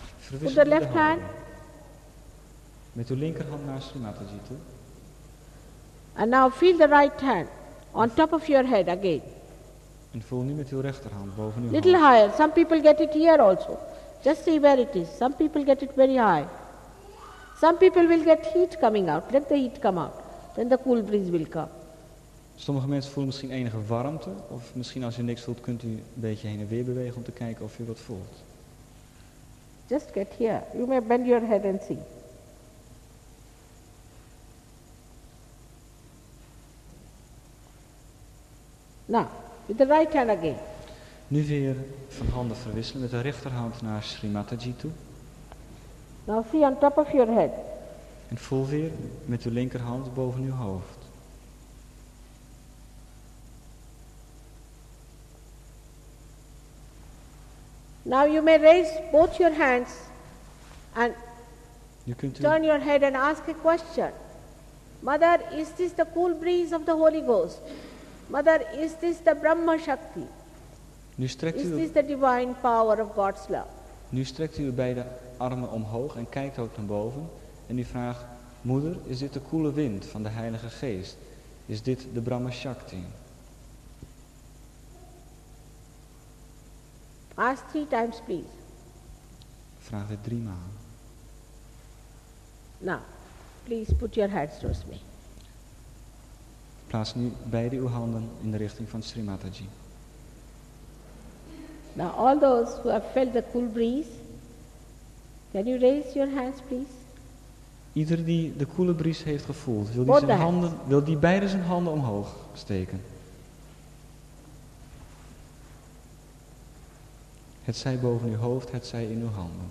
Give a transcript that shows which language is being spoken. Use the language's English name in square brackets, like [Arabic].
[Dutch] Verwissel [English] with the left hand. [Dutch] Met uw linkerhand naar Shri Mataji toe. [English] And now feel the right hand on top of your head again. [Dutch] En voel nu met uw rechterhand boven uw [English] little hand. Little higher. Some people get it here also. Just see where it is. Some people get it very high. Some people will get heat coming out. Let the heat come out. Then the cool breeze will come. [Dutch] Sommige mensen voelen misschien enige warmte. Of misschien als je niks voelt, kunt u een beetje heen en weer bewegen om te kijken of u wat voelt. [English] Just get here. You may bend your head and see. Now, with the right hand again. [Dutch] Nu weer van handen verwisselen met de rechterhand naar Shri Mataji toe. [English] Now see on top of your head. [Dutch] En voel weer met uw linkerhand boven uw hoofd. [English] Now you may raise both your hands and turn your head and ask a question. Mother, is this the cool breeze of the Holy Ghost? Mother, is this the Brahma Shakti? [Dutch] Nu strekt [English] is this the divine power of God's love? [Dutch] Nu strekt u beide armen omhoog en kijkt ook naar boven. En u vraagt, moeder, is dit de koele wind van de Heilige Geest? Is dit de Brahma Shakti? [English] Ask 3 times, please. [Dutch] Vraag dit 3 maal. [English] Now, please put your hands towards me. [Dutch] Plaats nu beide uw handen in de richting van Shri Mataji. [English] Now all those who have felt the cool breeze, can you raise your hands, please? [Dutch] Ieder die de koele bries heeft gevoeld, wil die beide zijn handen omhoog steken. Het zij boven uw hoofd, het zij in uw handen.